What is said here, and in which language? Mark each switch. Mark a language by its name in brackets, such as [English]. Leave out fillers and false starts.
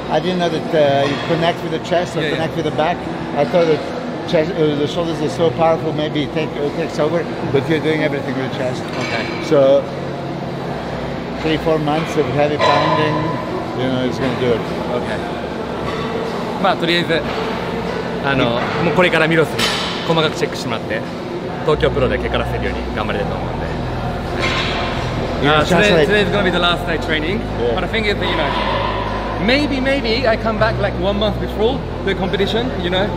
[English] I didn't know that you connect with the chest or with the back. I thought that the shoulders are so powerful, maybe it takes over, but you're doing everything with the chest. Okay. So, 3-4 months of heavy pounding, you know, it's going to do it. Okay. [Japanese] まあ、とりあえず、もうこれからミロスに細かくチェックしてもらって、東京プロで結果出せるように頑張れると思うんで。 [English] Today's going to be the last night training, yeah, but the thing is that, you know,Maybe I come back like 1 month before the competition, you know?